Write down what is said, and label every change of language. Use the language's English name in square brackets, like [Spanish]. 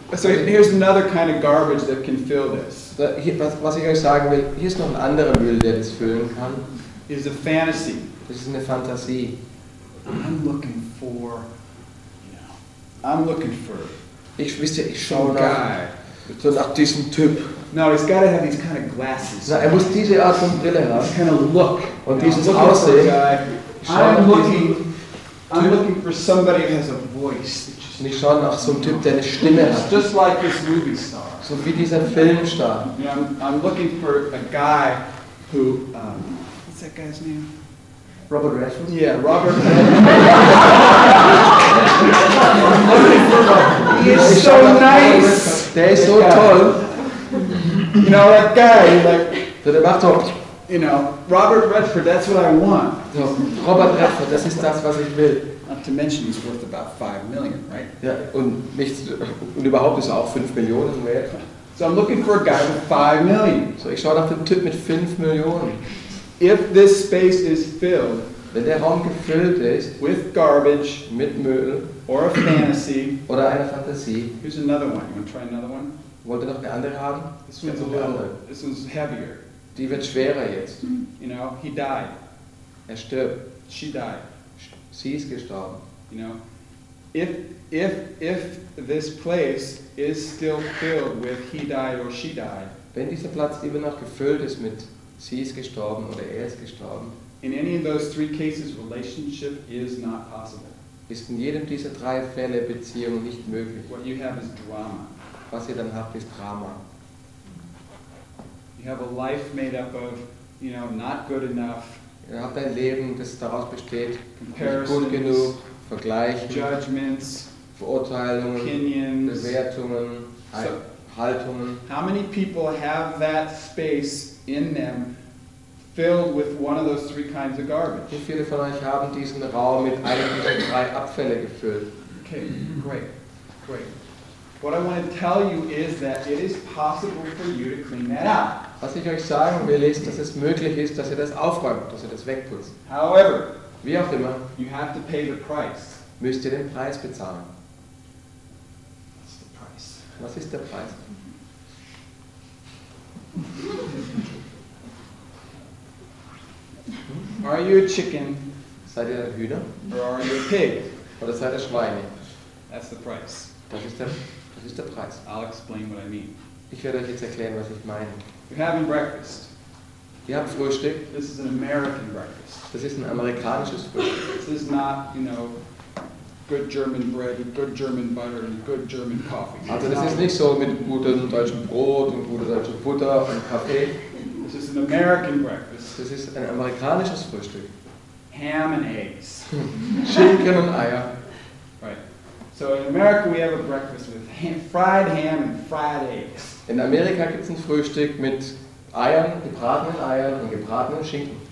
[English] So here's another kind of garbage that can fill this. [German] Was ich euch sagen will, hier ist noch ein anderer Müll, der das füllen kann. [English] Is a fantasy. [German] Das ist eine Fantasie. [English] I'm looking for, you know, I'm looking for. [German] Ich wüsste, ich schaue so nach diesem Typ. [English] No, he's got to have these kind of glasses. [German] Na, muss diese Art von Brille haben. [English] This kind of look. [German] Und dieses Aussehen. [English] I'm looking for somebody who has a voice. [German] Und ich schaue nach so einem Typ, der eine Stimme hat. [English] Just like this movie star. [German] So wie dieser Filmstar. [English] Yeah, I'm looking for a guy who, what's that guy's name? Robert Redford? Yeah, Robert Redford. He is so nice. [German] Der ist so toll. [English] You know, that guy, like, [German] der macht so, [English] you know, Robert Redford, that's what I want. [German] So, Robert Redford, das ist das, was ich will. [English] Not to mention he's worth about 5 million, right? [German] Ja, und nicht, und überhaupt ist er auch 5 Millionen wert. [English] So I'm looking for a guy with 5 million. [German] So ich schaue nach dem Typ mit 5 Millionen. [English] If this space is filled, [German] wenn der Raum gefüllt ist [English] with garbage, [German] mit Müll [English] or a fantasy, [German] oder einer Fantasie. [English] Here's another one. You want to try another one? [German] Wollt ihr noch eine andere haben? [English] This one's a little, this one's heavier. [German] Die wird schwerer jetzt. [English] You know, he died. [German] Er stirbt. [English] She died. [German] Sie ist gestorben. [English] You know, if this place is still filled with he died or she died. [German] Wenn dieser Platz immer noch gefüllt ist mit sie ist gestorben oder er ist gestorben. [English] In any of those three cases, relationship is not possible. [German] Ist in jedem dieser drei Fälle Beziehung nicht möglich. [English] What you have is drama. [German] Was ihr dann habt ist Drama. [English] You have a life made up of, you know, not good enough. [German] Ihr habt ein Leben, das daraus besteht, nicht gut genug, Vergleichen, [English] judgments, [German] Verurteilungen, [English] opinions, [German] Bewertungen, so, Haltungen. [English] How many people have that space in them filled with one of those three kinds of garbage? [German] Wie viele von euch haben diesen Raum mit einem dieser drei Abfälle gefüllt? [English] Okay, great, great. What I want to tell you is that it is possible for you to clean that up. [German] Was ich euch sagen will, ist, dass es möglich ist, dass ihr das aufräumt, dass ihr das wegputzt. [English] However, [German] wie auch immer, [English] you have to pay the price. [German] Müsst ihr den Preis bezahlen. [English] What's the price? [German] Was ist der Preis? [English] Are you a chicken? [German] Seid ihr ein Hühner? [English] Or are you a pig? [German] Oder seid ihr Schweine? [English] That's the price. [German] Das ist der Preis. [English] I'll explain what I mean. [German] Ich werde euch jetzt erklären, was ich meine. [English] We're having breakfast. [German] Wir haben Frühstück. [English] This is an American breakfast. [German] Das ist ein amerikanisches Frühstück. [English] This is not, you know, good German bread and good German butter and good German coffee. [German] Also das ist nicht so mit gutem deutschem Brot und guter deutscher Butter und Kaffee. [English] This is an American breakfast. [German] Das ist ein amerikanisches Frühstück. [English] Ham and eggs. [German] Chicken und Eier. [English] Right. So in America we have a breakfast with fried ham and fried eggs. [German] In Amerika gibt's ein Frühstück mit Eiern, gebratenen Eiern und gebratenen Schinken.